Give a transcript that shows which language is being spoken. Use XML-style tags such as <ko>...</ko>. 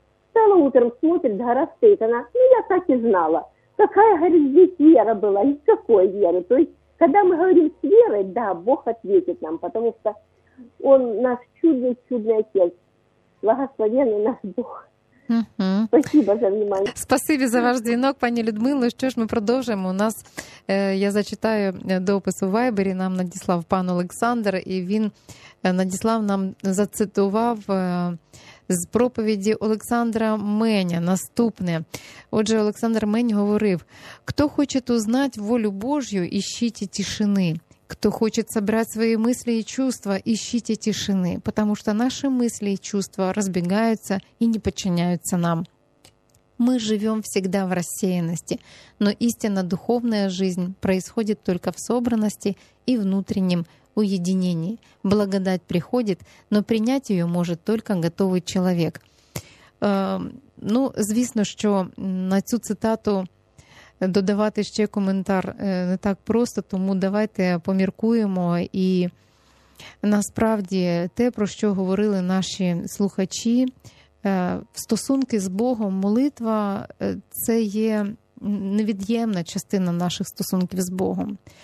<ru>Стала утром, смотрит, гора стоит. Она, ну, я так и знала. Какая, говорит, здесь вера была, никакой веры. То есть, когда мы говорим с верой, да, Бог ответит нам, потому что Он наш чудный-чудный Отец, благословенный наш Бог. Спасибо за внимание.</ru> <uk>Спасибо за ваш дзвінок, пані Людмило. Що ж, ми продовжуємо. У нас, я зачитаю допис у Вайбері, нам надіслав пан Олександр, і він надіслав нам, зацитував з проповіді Олександра Меня наступне. Отже, Олександр Мень говорив:</uk> <ru>«Кто хочет узнать волю Божью, ищите тишины. Кто хочет собрать свои мысли и чувства, ищите тишины, потому что наши мысли и чувства разбегаются и не подчиняются нам. Мы живем всегда в рассеянности, но истинно духовная жизнь происходит только в собранности и внутреннем уединении. Благодать приходит, но принять ее может только готовый человек».</ru> <uk>Ну, звісно, що на цю цитату додавати ще коментар не так просто, тому давайте поміркуємо. І насправді те, про що говорили наші слухачі, стосунки з Богом, молитва – це є невід'ємна частина наших стосунків з Богом.</uk>